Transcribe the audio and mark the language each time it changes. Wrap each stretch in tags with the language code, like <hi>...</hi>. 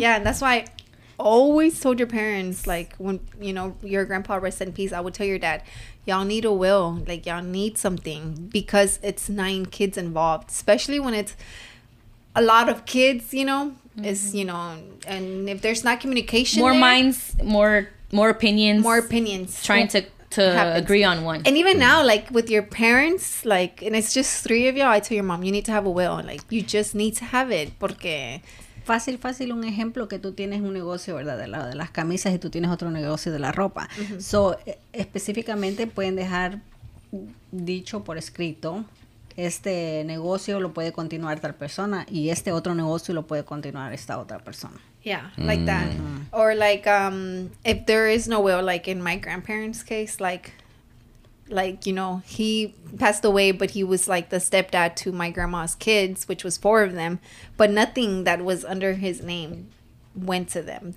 <en>Yeah, and that's why I always told your parents, like when, you know, your grandpa rest in peace, I would tell your dad, y'all need a will, like y'all need something, because it's 9 kids involved, especially when it's a lot of kids, you know. It's, you know, and if there's not communication, more there, minds, more opinions trying to agree on one. And even now, like with your parents, like, and it's just 3 of y'all, I tell your mom, you need to have a will. Like, you just need to have it.</en> <es>Porque fácil, fácil un ejemplo que tú tienes un negocio, ¿verdad? Del lado de las camisas y tú tienes otro negocio de la ropa. Uh-huh. So, específicamente pueden dejar dicho por escrito, este negocio lo puede continuar tal persona y este otro negocio lo puede continuar esta otra persona.</es> <en>Yeah, like that. Mm-hmm. Or like, if there is no will, like in my grandparents' case, like, you know, he passed away, but he was like the stepdad to my grandma's kids, which was four of them, but nothing that was under his name went to them.</en>